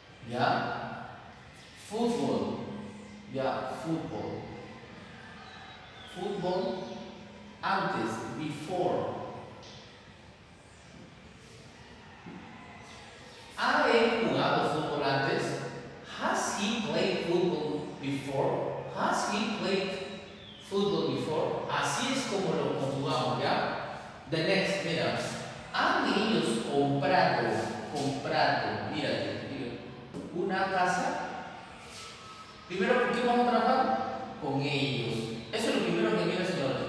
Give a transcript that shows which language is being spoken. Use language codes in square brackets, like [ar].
[es] ¿Ya? Fútbol. Ya, fútbol. Fútbol antes, before. ¿Ha él jugado fútbol antes? [en] ¿Has he played football before? ¿Has he played football before? [es] Así es como lo conjugamos, ¿ya? [en] The next, [es] mira. ¿Han ellos comprado? Comprado, mira. Una casa. Primero, ¿con qué vamos a trabajar? Con ellos. Eso es lo primero que viene, señores.